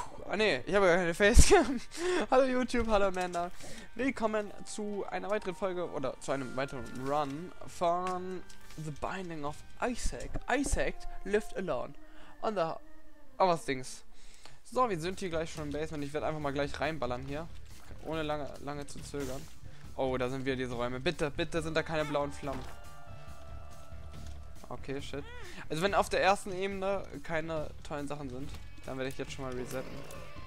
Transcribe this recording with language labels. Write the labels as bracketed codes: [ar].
[de] Ah ne, ich habe gar keine Facecam. Hallo YouTube, hallo Amanda. Willkommen zu einer weiteren Folge oder zu einem weiteren Run von The Binding of Isaac. [en] Isaac lived alone on the Dings. [de] So, wir sind hier gleich schon im Basement. Ich werde einfach mal gleich reinballern hier. Ohne lange zu zögern. Oh, da sind wieder diese Räume. Bitte, bitte sind da keine blauen Flammen. Okay, shit. Also wenn auf der ersten Ebene keine tollen Sachen sind, dann werde ich jetzt schon mal resetten.